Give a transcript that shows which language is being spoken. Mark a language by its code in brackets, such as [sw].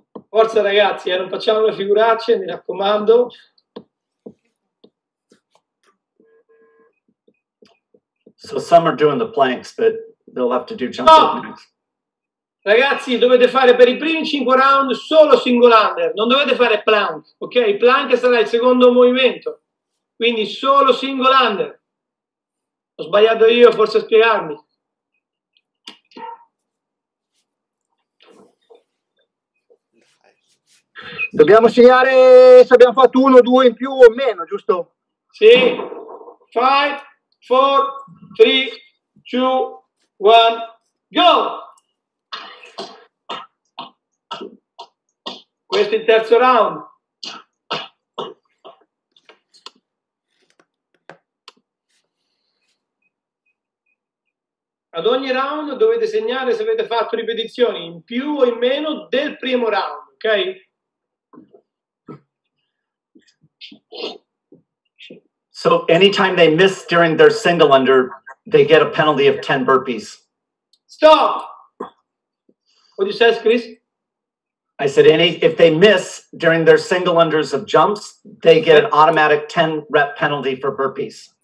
[it] Forza, ragazzi, non facciamo le figuracce, mi raccomando. [en] So some are doing the planks, but they'll have to do jump rope next. [it] Ragazzi, dovete fare per i primi 5 round solo single under. Non dovete fare plank, ok? Plank sarà il secondo movimento. Quindi solo single under. Ho sbagliato io, forse a spiegarmi. Dobbiamo segnare se abbiamo fatto uno o due in più o meno, giusto? Sì. 5, 4, 3, 2, [en] one, go! [it] Questo è il terzo round. Ad ogni round dovete segnare se avete fatto ripetizioni in più o in meno del primo round, ok? [en] So anytime they miss during their single under, they get a penalty of 10 burpees. Stop! What did you say, Chris? I said if they miss during their single unders of jumps, they get an automatic 10 rep penalty for burpees.